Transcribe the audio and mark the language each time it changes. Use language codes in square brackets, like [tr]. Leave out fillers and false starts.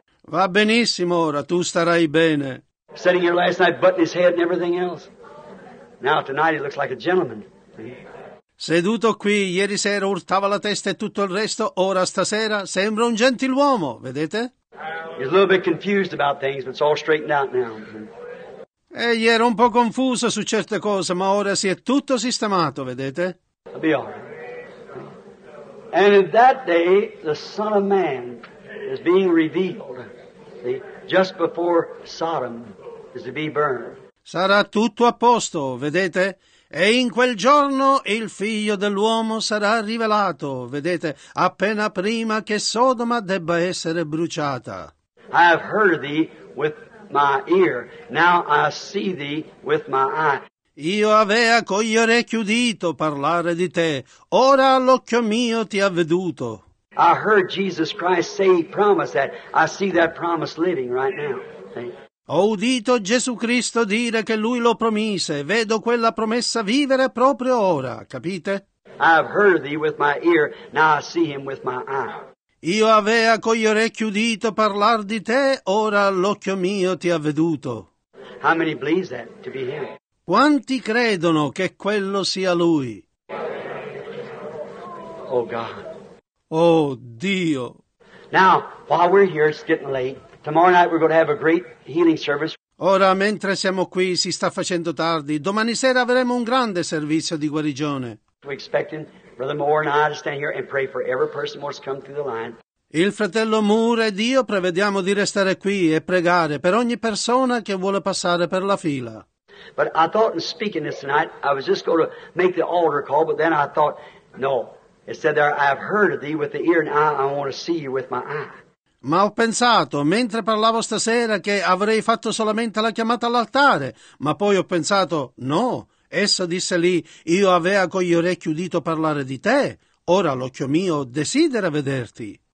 [it] Va benissimo ora, tu starai bene. [en] Sitting here last night, butting his head and everything else. Now tonight he looks like a gentleman. [it] Seduto qui, ieri sera urtava la testa e tutto il resto, ora stasera sembra un gentiluomo, vedete? [en] He's a little bit confused about things, but it's all straightened out now. [it] Egli era un po' confuso su certe cose, ma ora si è tutto sistemato, vedete? [en] I'll be all right. And in that day, the Son of Man is being revealed, just before Sodom is to be burned. [it] Sarà tutto a posto, vedete? E in quel giorno il figlio dell'uomo sarà rivelato, vedete, appena prima che Sodoma debba essere bruciata. [en] I have heard thee with my ear, now I see thee with my eye. [it] Io avea con gli orecchi udito parlare di te, ora l'occhio mio ti ha veduto. [en] I heard Jesus Christ say he promised that. I see that promise living right now. [it] Ho udito Gesù Cristo dire che lui lo promise. Vedo quella promessa vivere proprio ora, capite? [en] I have heard thee with my ear, now I see him with my eye. [it] Io avea con gli orecchi udito parlar di te, ora l'occhio mio ti ha veduto. [en] How many believe that to be him? [it] Quanti credono che quello sia lui? [en] Oh God. [it] Oh Dio. [en] Now, while we're here, it's getting late. Tomorrow night we're going to have a great healing service. [it] Ora, mentre siamo qui, si sta facendo tardi. Domani sera avremo un grande servizio di guarigione. [en] We're expecting Brother Moore and I to stand here and pray for every person who wants to come through the line. [it] Il fratello Moore ed io prevediamo di restare qui e pregare per ogni persona che vuole passare per la fila. [en] But I thought in speaking this tonight, I was just going to make the altar call, but then I thought, no. It said there, I have heard of thee with the ear and eye, I want to see you with my eye. [it] Ma ho pensato, mentre parlavo stasera, che avrei fatto solamente la chiamata all'altare. Ma poi ho pensato, no, essa disse lì, io avea con gli orecchi udito parlare di te. Ora l'occhio mio desidera vederti.